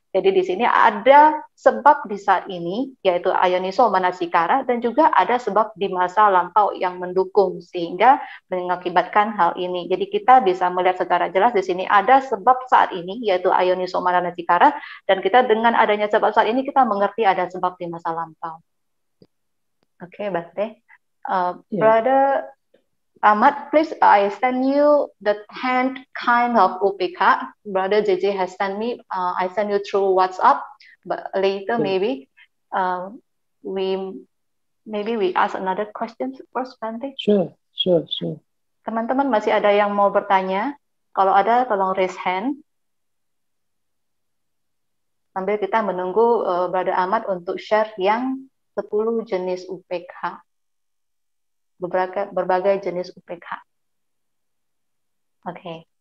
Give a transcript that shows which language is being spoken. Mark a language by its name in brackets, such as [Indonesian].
[Indonesian] Jadi di sini ada sebab di saat ini, yaitu ayoniso manasikara, dan juga ada sebab di masa lampau yang mendukung, sehingga mengakibatkan hal ini. Jadi kita bisa melihat secara jelas di sini ada sebab saat ini, yaitu ayoniso manasikara, dan kita dengan adanya sebab saat ini, kita mengerti ada sebab di masa lampau. [English] Okay, Bante. Brother Ahmad, please, I send you the 10th kind of upeka. Brother JJ has sent me. I send you through WhatsApp, but later maybe we ask another question first, Bante. Sure. [Indonesian] Teman-teman masih ada yang mau bertanya? Kalau ada, tolong [English] raise hand. [Indonesian] Sambil kita menunggu Brother Ahmad untuk share yang 10 jenis UPK, berbagai jenis UPK. Oke. Okay.